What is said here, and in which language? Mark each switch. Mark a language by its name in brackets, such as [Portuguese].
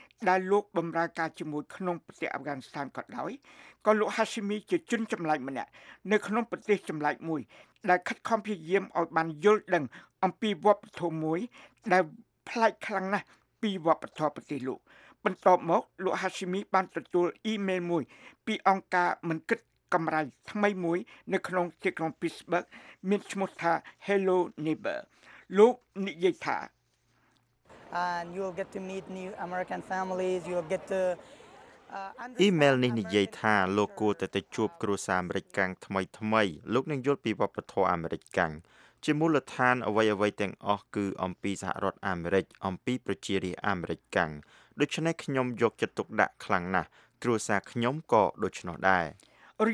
[Khmer] ដែលលោកបម្រើការជាមួយក្នុងប្រទេសអាហ្វហ្គានីស្ថានក៏ដោយក៏លោក Hashimi ជាជនចម្លែកម្នាក់នៅក្នុងប្រទេសចម្លែកមួយដែលខិតខំព្យាយាមឲ្យបានយល់ដឹងអំពីវប្បធម៌មួយដែលប្លែកខ្លាំងណាស់ពីវប្បធម៌ប្រទេសលោកបន្ទាប់មកលោក Hashimi បានទទួលអ៊ីមែលមួយពីអង្គការមិនគិតកម្រៃថ្មីមួយនៅក្នុងទីក្រុង Pittsburgh មានឈ្មោះថា Hello Neighbor លោកនិយាយថា [English] And you'll get to meet new American families you'll get to [Khmer] អ៊ីមែលនេះនិយាយថាលោកគួរតែទៅជួបគ្រួសារអាមេរិកកាំងថ្មីថ្មីលោកនឹងយល់ពីវប្បធម៌អាមេរិកកាំងជាមូលដ្ឋានអ្វីៗទាំងអស់គឺអំពីសហរដ្ឋអាមេរិកអំពីប្រជារាស្ត្រអាមេរិកកាំងដូច្នេះខ្ញុំយកចិត្តទុកដាក់ខ្លាំងណាស់គ្រួសារខ្ញុំក៏ដូច្នោះដែររ